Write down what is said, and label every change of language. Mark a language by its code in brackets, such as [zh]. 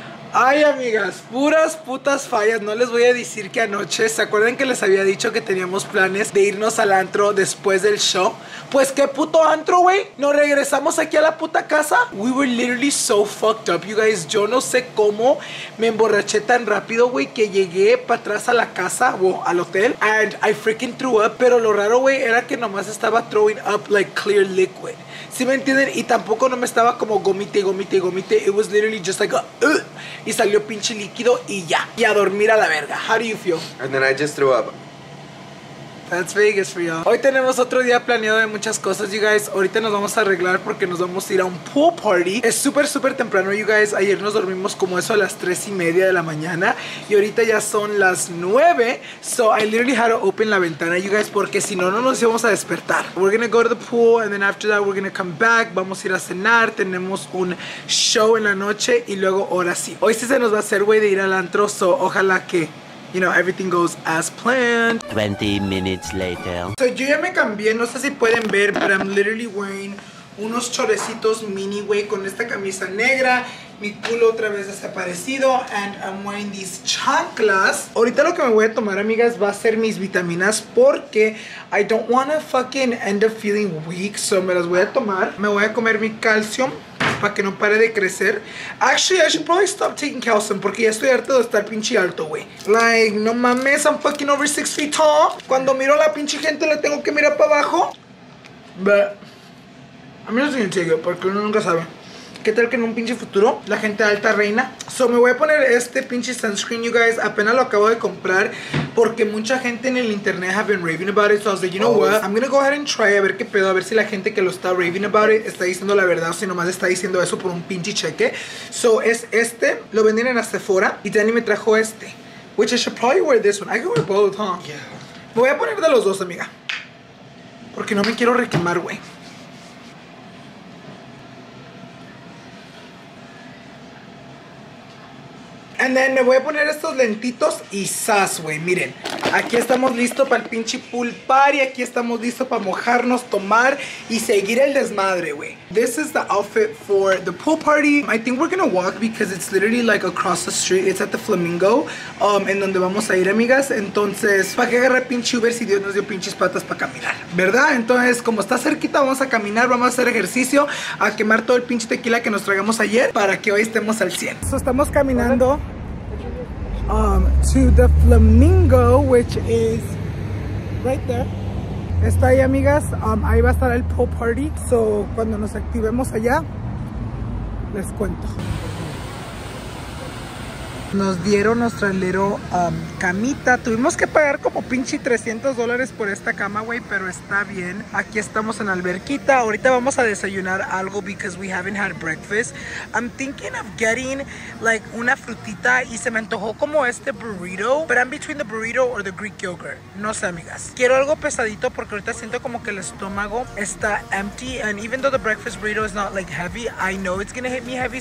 [es] Ay, amigas, puras putas fallas. No les voy a decir que anoche, ¿se acuerdan que les había dicho que teníamos planes de irnos al antro después del show? Pues, ¿qué puto antro, güey? ¿Nos regresamos aquí a la puta casa? [en] We were literally so fucked up, you guys. [es] Yo no sé cómo me emborraché tan rápido, güey, que llegué para atrás a la casa, al hotel. [en] And I freaking threw up. [es] Pero lo raro, güey, era que nomás estaba [en] throwing up like clear liquid. [es] ¿Sí me entienden? Y tampoco no me estaba como gomite. [en] It was literally just like a... [es] Y salió pinche líquido y ya. Y a dormir a la verga. [en] How do you feel? And then I just threw up. That's Vegas for y'all. [es] Hoy tenemos otro día planeado de muchas cosas, you guys. Ahorita nos vamos a arreglar porque nos vamos a ir a un pool party. Es súper, súper temprano, [en] you guys. [es] Ayer nos dormimos como eso a las 3:30 de la mañana. Y ahorita ya son las 9. [en] So I literally had to open [es] la ventana, [en] you guys, [es] porque si no, no nos íbamos a despertar. [en] We're gonna go to the pool and then after that we're gonna come back. [es] Vamos a ir a cenar. Tenemos un show en la noche y luego ahora sí. Hoy sí se nos va a hacer, güey, de ir al antro. [en] So [es] ojalá que... [en] You know, everything goes as planned. 20 minutes later. [es] So, yo ya me cambié. No sé si pueden ver, [en] but I'm literally wearing [es] unos chorecitos mini, güey, con esta camisa negra. Mi culo otra vez desaparecido. [en] And I'm wearing these [es] chanclas. Ahorita lo que me voy a tomar, amigas, va a ser mis vitaminas porque [en] I don't want to fucking end up feeling weak. [es] So, me las voy a tomar. Me voy a comer mi calcio. Para que no pare de crecer. [en] Actually, I should probably stop taking calcium. [es] Porque ya estoy harto de estar pinche alto, güey. Like, no mames, [en] I'm fucking over 6 feet tall. [es] Cuando miro a la pinche gente, le tengo que mirar para abajo. [en] But I'm just gonna take it. [es] Porque uno nunca sabe. ¿Qué tal que en un pinche futuro la gente alta reina? So, me voy a poner este pinche sunscreen, [en] you guys. [es] Apenas lo acabo de comprar. Porque mucha gente en el internet [en] have been raving about it. So, I was like, you know what? I'm gonna go ahead and try [es] a ver qué pedo. A ver si la gente que lo está [en] raving about it [es] está diciendo la verdad. O si nomás está diciendo eso por un pinche cheque. So, es este. Lo venden en la Sephora. Y Danny me trajo este. [en] Which I should probably wear this one. I can wear both, huh? Yeah. [es] Me voy a poner de los dos, amiga. Porque no me quiero requemar, güey. [en] And then [es] me voy a poner estos lentitos y sas, güey. Miren, aquí estamos listos para el pinche pool party. Aquí estamos listos para mojarnos, tomar y seguir el desmadre, güey. [en] This is the outfit for the pool party. I think we're gonna walk because it's literally like across the street. It's at the Flamingo, [es] en donde vamos a ir, amigas. Entonces, ¿para qué agarrar pinche Uber si Dios nos dio pinches patas para caminar? ¿Verdad? Entonces, como está cerquita, vamos a caminar, vamos a hacer ejercicio, a quemar todo el pinche tequila que nos tragamos ayer para que hoy estemos al 100. [en] So, [es] estamos caminando [en] to the Flamingo, which is right there. [es] Está ahí, amigas. Ahí va a estar el pool party. So, cuando nos activemos allá, les cuento. Nos dieron nuestro alero camita. Tuvimos que pagar como pinche $300 por esta cama, güey, pero está bien. Aquí estamos en alberquita. Ahorita vamos a desayunar algo [en] because we haven't had breakfast. I'm thinking of getting like [es] una frutita y se me antojó como este burrito. [en] But I'm between the burrito or the Greek yogurt. [es] No sé, amigas. Quiero algo pesadito porque ahorita siento como que el estómago está empty. [en] And even though the breakfast burrito is not like heavy, I know it's gonna hit me heavy.